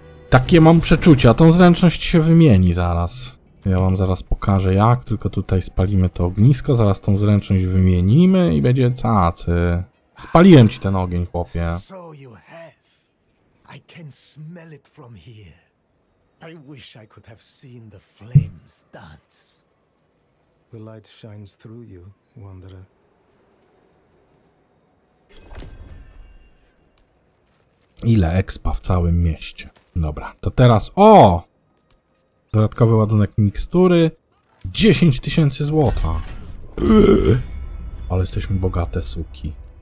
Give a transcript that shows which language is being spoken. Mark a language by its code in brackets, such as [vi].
[pl] Takie mam przeczucie, a tą zręczność się wymieni zaraz. Ja wam zaraz pokażę jak, tylko tutaj spalimy to ognisko, zaraz tą zręczność wymienimy i będzie cacy. Spaliłem ci ten ogień, chłopie. [en] So you have. I can smell it from here. I wish I could have seen the flames dance. The light shines through you, wanderer. [pl] Ile expa w całym mieście? Dobra, to teraz... O! Dodatkowy ładunek mikstury. 10 tysięcy złota. Ale jesteśmy bogate, suki.